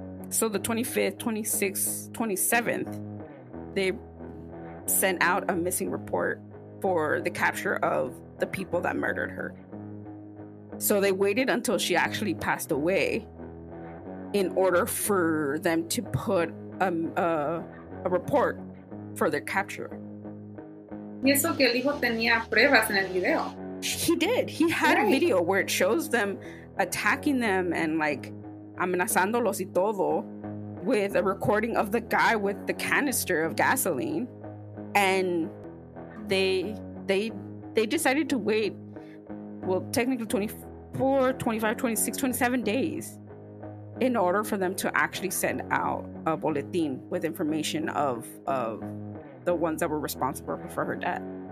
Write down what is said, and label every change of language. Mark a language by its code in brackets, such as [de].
[en] So the 25th, 26th, 27th, they sent out a missing report for the capture of the people that murdered her. So they waited until she actually passed away in order for them to put a report for their capture. [es] Y eso que el hijo tenía pruebas en el video. [en] He did. He had a video where it shows them attacking them and like [es] amenazándolos y todo [en] with a recording of the guy with the canister of gasoline. And they decided to wait, well, technically 24, 25, 26, 27 days in order for them to actually send out a bulletin with information of the ones that were responsible for her death.